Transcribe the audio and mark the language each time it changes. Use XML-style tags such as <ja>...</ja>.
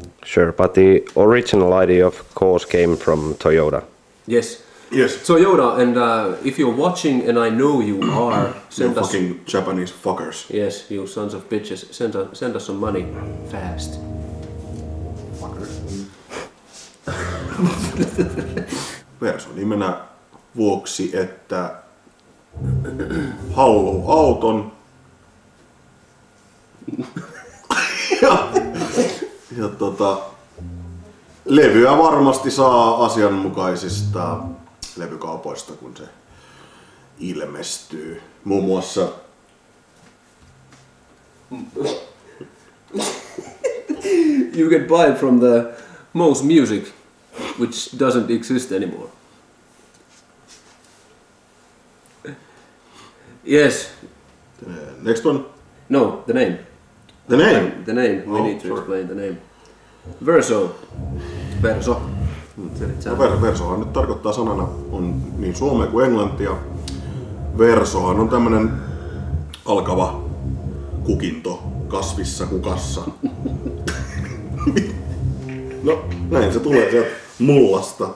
<en>Sure, but the original idea of course came from Toyota. Yes. Toyota, and if you're watching, and I know you are, send you us fucking Japanese fuckers. Yes, you sons of bitches, send us some money fast.</en> <fi>Verso-nimenä vuoksi, että haluu auton ja Levyä varmasti saa asianmukaisista levykaupoista, kun se ilmestyy. Muun muassa...</fi> <en>You can buy it from the Moose Music, which doesn't exist anymore. Yes. Next one. No, the name. The name? The name. We need to explain the name.</en> <fi>Verso. Verso. Versohan nyt tarkoittaa sanana on niin suomea kuin englantia. Versohan on tämmönen alkava kukinto kasvissa kukassa. No, näin se tulee sieltä mullasta.</fi>